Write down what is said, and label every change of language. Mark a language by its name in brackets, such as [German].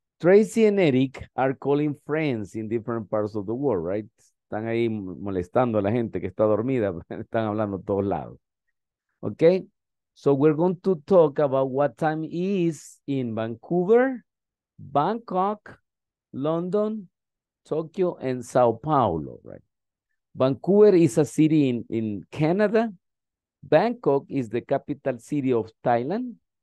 [English] Tracy and Eric are calling friends in different parts of the world, right? [Spanish] Están ahí molestando a la gente que está dormida. Están hablando a todos lados. Okay. [English] So we're going to talk about what time is in Vancouver, Bangkok, London, Tokyo, and Sao Paulo, right? Vancouver is a city in Canada. Bangkok is the capital city of Thailand.